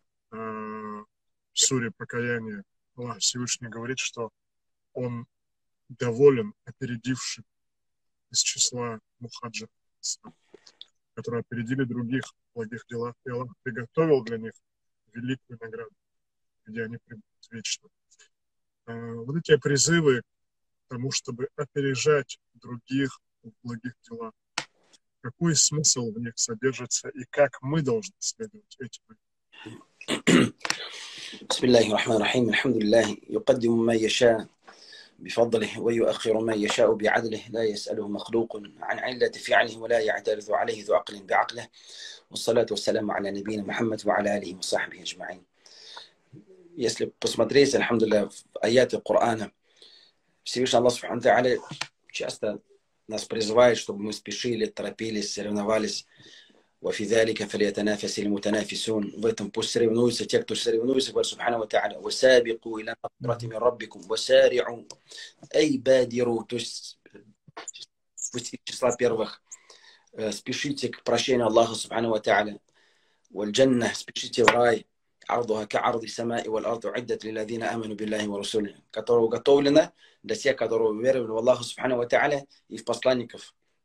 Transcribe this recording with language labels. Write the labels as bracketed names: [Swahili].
[Russian] В суре покаяния Аллах Всевышний говорит, что Он доволен опередившим из числа мухаджиров, которые опередили других в благих делах, и Аллах приготовил для них великую награду, где они пребудут вечно. Вот эти призывы к тому, чтобы опережать других в благих делах, какой смысл в них содержится и как мы должны следовать этим? [Arabic] بسم الله الرحمن الرحيم الحمد لله يقدم ما يشاء بفضله ويؤخر ما يشاء بعدله لا يسأله مخلوق عن علة فعله ولا يعترض عليه ذو عقل بعقله والصلاة والسلام على نبينا محمد وعلى آله وصحبه أجمعين. [Russian] Если посмотреть, [Arabic] الحمد لله, [Russian] в аяты Корана, Всевышний Аллах Субхану Тааля часто нас призывает, чтобы мы спешили, торопились, соревновались. [Arabic] وفي ذلك فليتنافس المتنافسون [Russian] в этом пусть соревнуются те, кто соревнуется, говорит Субхану ва Тааля, [Arabic] وسابقوا إلى مغفرة من ربكم وسارعوا أي بادروا, [Russian] то есть из числа первых, спешите к прощению Аллаха Субхану ва Тааля, [Arabic] والجنة, [Russian] спешите в рай, [Arabic] عرضها كعرض السماء والأرض عدة للذين آمنوا بالله ورسوله, [Russian] которое уготовлено для тех, которые уверовали в Аллаха Субхану ва Тааля и в посланников.